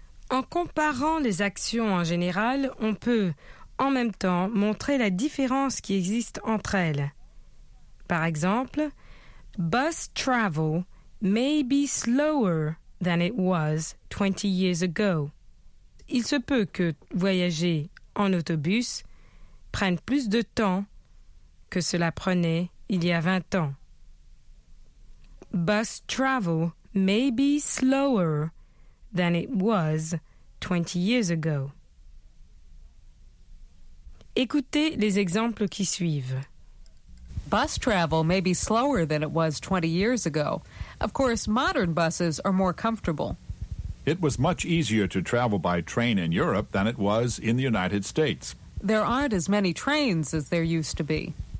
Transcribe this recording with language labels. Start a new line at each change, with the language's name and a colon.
French: En comparant les actions en général, on peut, en même temps, montrer la différence qui existe entre elles. Par exemple,
English: bus travel may be slower than it was 20 years ago.
French: Il se peut que voyager en autobus prenne plus de temps que cela prenait il y a 20 ans.
English: Bus travel may be slower than it was 20 years ago.
French: Écoutez les exemples qui suivent.
English: Bus travel may be slower than it was 20 years ago. Of course, modern buses are more comfortable. It was much easier to travel by train in Europe than it was in the United States. There aren't as many trains as there used to be.